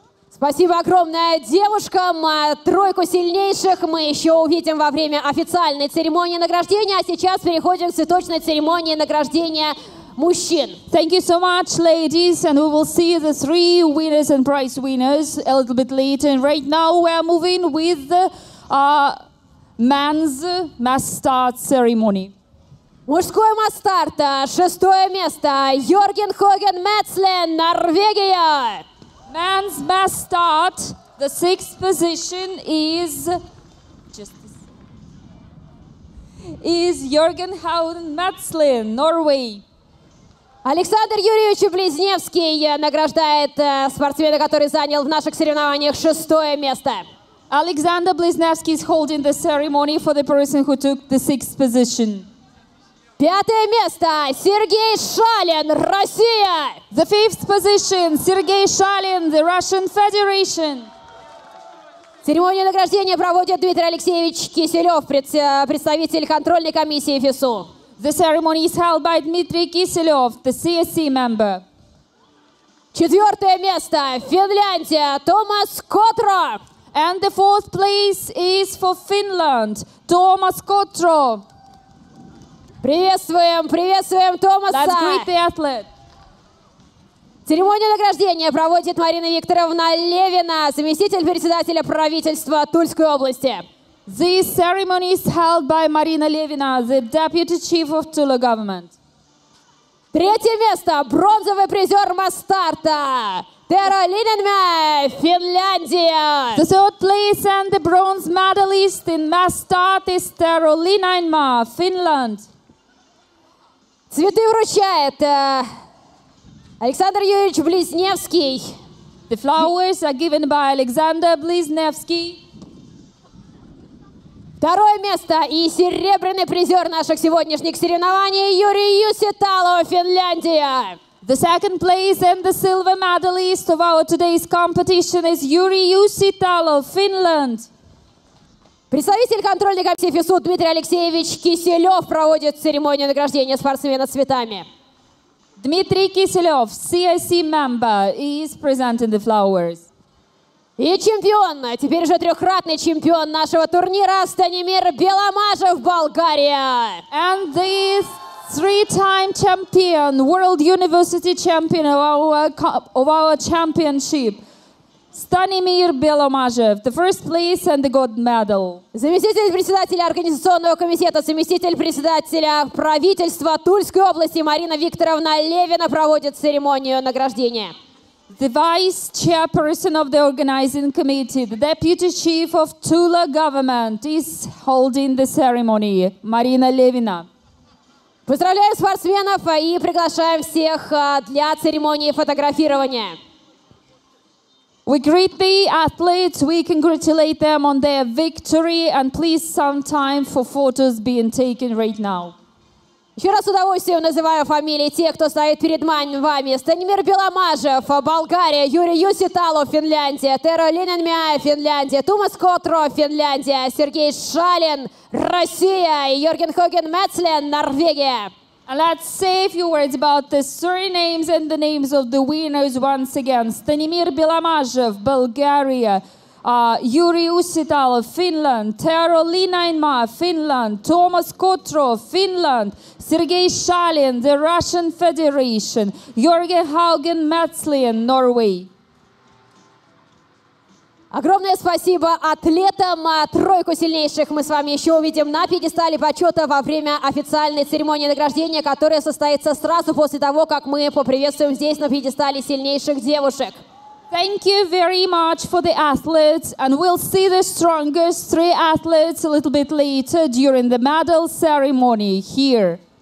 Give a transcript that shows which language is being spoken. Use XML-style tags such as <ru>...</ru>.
<ru>Спасибо огромное девушкам. Тройку сильнейших мы еще увидим во время официальной церемонии награждения. А сейчас переходим к цветочной церемонии награждения мужчин.</ru> <en>Thank you so much, ladies. And we will see the three winners and prize winners a little bit later. And right now we are moving with the men's mass start ceremony.</en> <ru>Мужской масс-старт. Шестое место. Йорген Хоген Мэтслен, Норвегия.</ru> <en>Man's best start, the sixth position is Jørgen Hauden Metzlin, Norway.</en> <ru>Александр Юрьевич Близневский награждает спортсмена, который занял в наших соревнованиях шестое место.</ru> <en>Alexander Blisnevsky is holding the ceremony for the person who took the sixth position.</en> <ru>Пятое место. Сергей Шалин, Россия.</ru> <en>The fifth position. Сергей Шалин, the Russian Federation.</en> <ru>Церемонию награждения проводит Дмитрий Алексеевич Киселев, представитель контрольной комиссии ФИСУ.</ru> <en>The ceremony is held by Дмитрий Киселев, the CSC member.</en> <ru>Четвертое место. Финляндия, Томас Котро.</ru> <en>And the fourth place is for Finland, Томас Котро.</en> <ru>Приветствуем Томаса.</ru> <en>Let's greet the athlete.</en> <ru>Церемонию награждения проводит Марина Викторовна Левина, заместитель председателя правительства Тульской области.</ru> <en>This ceremony is held by Marina Levina, the deputy chief of Tula government.</en> <ru>Третье место. Бронзовый призер масс-старта. Тера Линенме, Финляндия.</ru> <en>The third place and the bronze medalist in mass start is Tero Linenme, Finland.</en> <ru>Цветы вручает Александр Юрьевич Близневский.</ru> <en>The flowers are given by Alexander Blisnevsky.</en> <ru>Второе место и серебряный призер наших сегодняшних соревнований Юрий Юситало, Финляндия.</ru> <en>The second place and the silver medalist of our today's competition is Юрий Юситало, Finland.</en> <ru>Представитель контрольной комиссии ФИСУ Дмитрий Алексеевич Киселев проводит церемонию награждения спортсмена цветами.</ru> <en>Дмитрий Киселев, CIC member, is presenting the flowers.</en> <ru>И чемпион, теперь уже трехкратный чемпион нашего турнира Станимир Беломажев, Болгария.</ru> <en>And this three-time champion, World University champion of our championship. Станимир Беломажев, the first place and the gold medal.</en> <ru>Заместитель председателя организационного комитета, заместитель председателя правительства Тульской области Марина Викторовна Левина проводит церемонию награждения.</ru> <en>The vice chairperson of the organizing committee, the deputy chief of Tula government, is holding the ceremony.</en> <ru>Марина Левина. Поздравляем спортсменов и приглашаем всех для церемонии фотографирования.</ru> <en>We greet the athletes, we congratulate them on their victory, and please some time for photos being taken right now.</en> <ru>Еще раз с удовольствием называю фамилии тех, кто стоит перед вами. Станимир Беломажев, Болгария. Юрий Юситало, Финляндия. Тера Линенмяя, Финляндия. Тумас Котро, Финляндия. Сергей Шалин, Россия. Йорген Хоген Мецлен, Норвегия.</ru> <en>And let's say a few words about the surnames and the names of the winners once again. Станимир Беломажев, Bulgaria. Юрий Уситало, Finland. Тера Линенмяя, Finland. Тумас Котро, Finland. Сергей Шалин, the Russian Federation. Jørgen Haugen Metzlin, Norway.</en> <ru>Огромное спасибо атлетам. Тройку сильнейших мы с вами еще увидим на пьедестале почета во время официальной церемонии награждения, которая состоится сразу после того, как мы поприветствуем здесь на пьедестале сильнейших девушек.</ru> <en>Thank you very much for the athletes, and we'll see the strongest three athletes a little bit later during the medal ceremony here.</en>